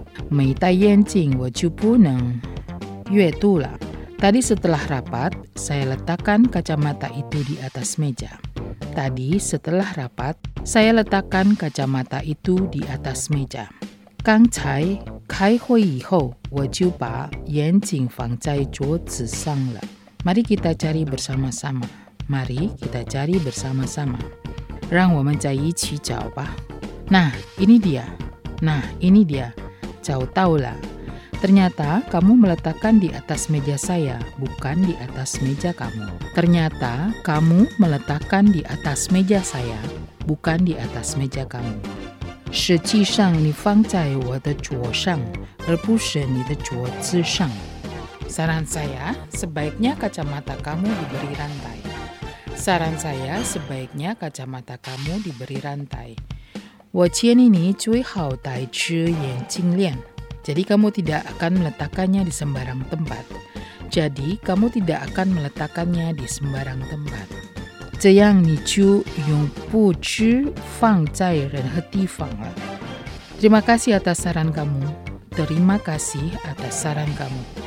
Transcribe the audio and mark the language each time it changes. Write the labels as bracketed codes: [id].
[zh] 没戴眼镜，我就不能阅读了。 [id] Tadi setelah rapat, saya letakkan kacamata itu di atas meja. Tadi setelah rapat, saya letakkan kacamata itu di atas meja. [zh] 刚才开会以后，我就把眼镜放在桌子上了。 [id] Mari kita cari bersama-sama. Mari kita cari bersama-sama. [zh] 让我们在一起找吧。 [id] Nah, ini dia. Nah, ini dia. [zh] 找到了。 [id] Ternyata kamu meletakkan di atas meja saya, bukan di atas meja kamu. Ternyata kamu meletakkan di atas meja saya, bukan di atas meja kamu. [zh] 实际上你放在我的桌上，而不是你的桌子上。 [id] Saran saya, sebaiknya kacamata kamu diberi rantai. Saran saya, sebaiknya kacamata kamu diberi rantai. [zh] 我建议你最好戴只眼镜链。 [id] Jadi kamu tidak akan meletakkannya di sembarang tempat. Jadi kamu tidak akan meletakkannya di sembarang tempat. [zh] 这样你就永不知放在任何地方了。 [id] Terima kasih atas saran kamu. Terima kasih atas saran kamu.